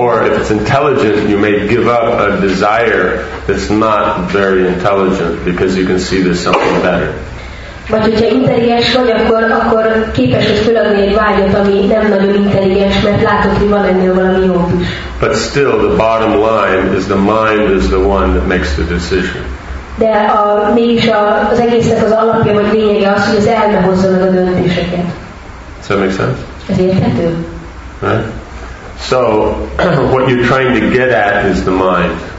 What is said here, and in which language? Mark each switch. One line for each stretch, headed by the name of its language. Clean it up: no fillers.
English: Or if it's intelligent, you may give up a desire that's not very intelligent, because you can see there's something better.
Hungarian: Vagy hogyha intelligens vagy, akkor képes vagy feladni egy vágyat, ami nem nagyon intelligens, mert látod, hogy van ennél valami jó is.
English: But still, the bottom line is the mind is the one that makes the decision.
Hungarian: De mégis az egésznek az alapja vagy lényege az, hogy az elme hozza meg a döntéseket.
English: Does that make sense?
Hungarian: Ez érthető?
English: Right? So, what you're trying to get at is the mind.